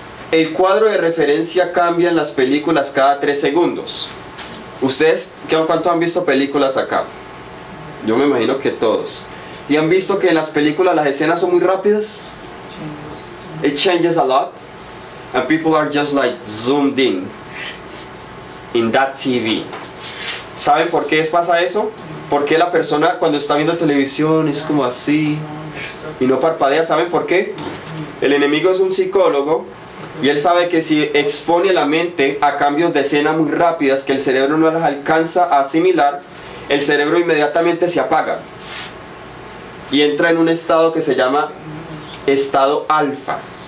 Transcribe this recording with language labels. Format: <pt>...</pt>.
<es>El cuadro de referencia cambia en las películas cada 3 segundos. ¿Ustedes cuánto han visto películas acá? Yo me imagino que todos. ¿Y han visto que en las películas las escenas son muy rápidas?</es> <en>It changes a lot. And people are just like zoomed in that TV.</en> <es>¿Saben por qué pasa eso? Porque la persona cuando está viendo televisión es como así y no parpadea. ¿Saben por qué? El enemigo es un psicólogo y él sabe que si expone la mente a cambios de escena muy rápidas que el cerebro no las alcanza a asimilar, el cerebro inmediatamente se apaga y entra en un estado que se llama estado alfa.</es>